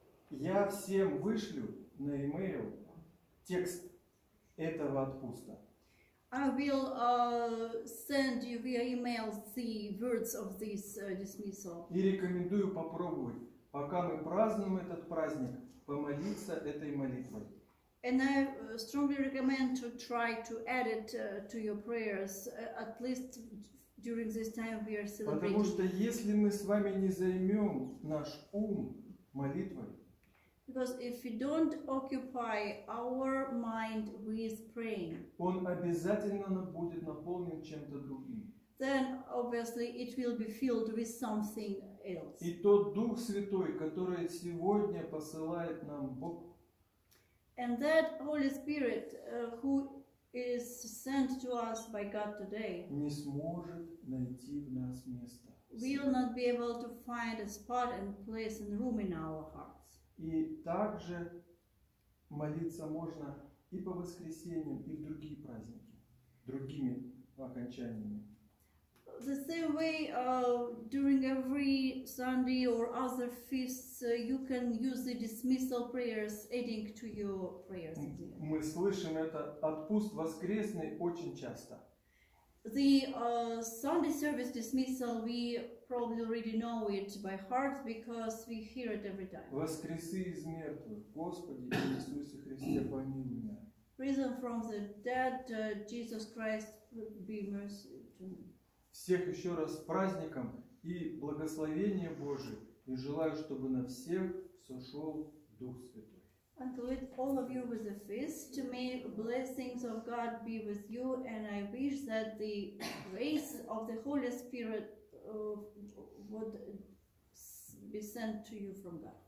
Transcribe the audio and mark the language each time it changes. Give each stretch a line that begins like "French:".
Russian: Я всем вышлю на e-mail текст этого отпуста.
English: I will send you via e-mail the words of this dismissal.
Russian: И рекомендую попробовать, пока мы празднуем этот праздник, помолиться этой молитвой.
English: And I strongly recommend to try to add it to your prayers at least during this time we are celebrating.
Russian: Потому что если мы с вами не займем наш ум молитвой,
English: Because if we don't occupy our mind with praying,
Russian: он обязательно будет наполнен чем-то другим.
English: Then obviously it will be filled with something else.
Russian: И тот Дух Святой, который сегодня посылает нам Бог,
English: and that Holy Spirit, who is sent to us by God today,
Russian: не сможет найти в нас места.
English: Will not be able to find a spot and place and room in our hearts.
Russian: И также молиться можно и по воскресеньям, и в другие праздники, другими окончаниями.
English: The same way, during every Sunday or other feasts, you can use the dismissal prayers, adding to your prayers.
Russian: Мы слышим это отпуск воскресный очень часто.
English: The Sunday service dismissal, we probably already know it by heart because we hear it every time.
Russian: Воскреси из мертвых, Господи Иисусе Христе, помилуй меня.
English: Risen from the dead, Jesus Christ, be mercy to me.
Russian: Всех еще раз с праздником и благословение Божие, и желаю, чтобы на всех сошел Дух Святой.
English: And with all of you with a feast, may blessings of God be with you, and I wish that the grace of the Holy Spirit would be sent to you from God.